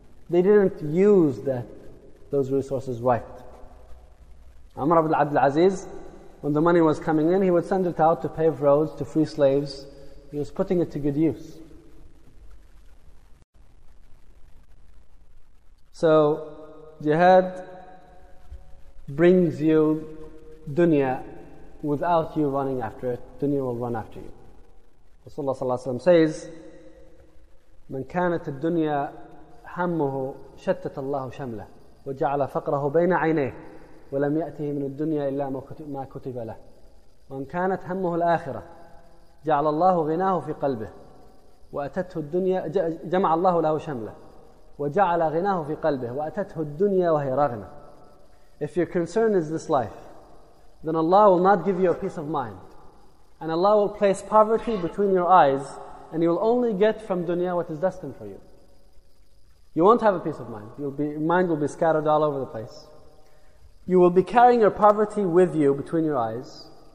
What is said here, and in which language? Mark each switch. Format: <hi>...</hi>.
<en>They didn't use those resources right. Amr ibn Abdul Aziz, when the money was coming in, he would send it out to pave roads, to free slaves. He was putting it to good use. So, jihad brings you dunya without you running after it. Dunya will run after you.</en> <ar>Rasulullah sallallahu alaihi wasallam says, "من كانت الدنيا همه شتت الله شمله وجعل فقره بين عينيه ولم يأته من الدنيا إلا ما كتب له. من كانت همه الآخرة جعل الله غناه في قلبه وأتته الدنيا جمع الله له شمله." وَجَعَلَ غِنَاهُ فِي قَلْبِهِ وَأَتَتْهُ الدُّنْيَا وَهِيَ رَغْنَةٌ.</ar> <en>If your concern is this life, then Allah will not give you a peace of mind. And Allah will place poverty between your eyes, and you will only get from dunya what is destined for you. You won't have a peace of mind. Your mind will be scattered all over the place. You will be carrying your poverty with you between your eyes.</en>